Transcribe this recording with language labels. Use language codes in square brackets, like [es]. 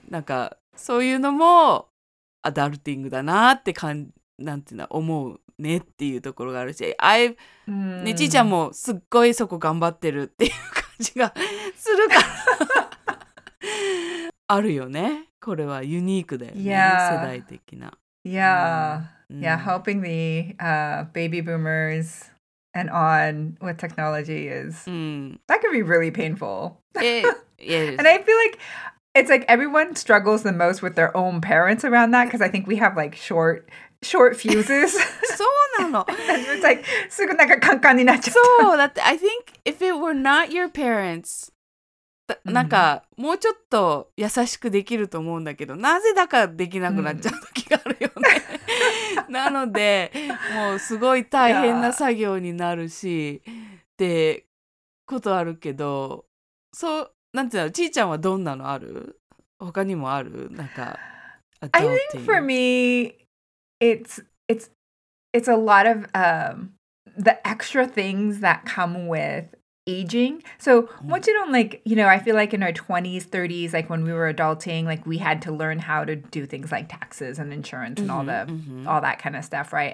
[ja] なんか、そういうのもアダルティングだなって感じ、なんていうの、思うねっていうところがあるし。ね、ちいちゃんもすっごいそこ頑張ってるっていう感じがするから。あるよね。これはユニークだよね、世代的な。 [en] Helping the baby boomers and on with technology is, that can be really painful. It is. And I feel like, it's like everyone struggles the most with their own parents around that, because I think we have like short fuses. [ja] そうなの。 [en] It's like, [ja] すぐなんかカンカンになっちゃった。そう、だって [en] I think if it were not your parents, [ja] なんか、もうちょっと優しくできると思うんだけど、なぜだかできなくなっちゃう時があるよね。なので、もうすごい大変な作業になるし、ってことあるけど、そう、なんていうの、ちーちゃんはどんなのある？他にもある？なんか、 [en] I think for me, it's a lot of、the extra things that come with aging. So, much don't like, you know, I feel like in our 20s, 30s, like when we were adulting, like we had to learn how to do things like taxes and insurance and all that kind of stuff, right?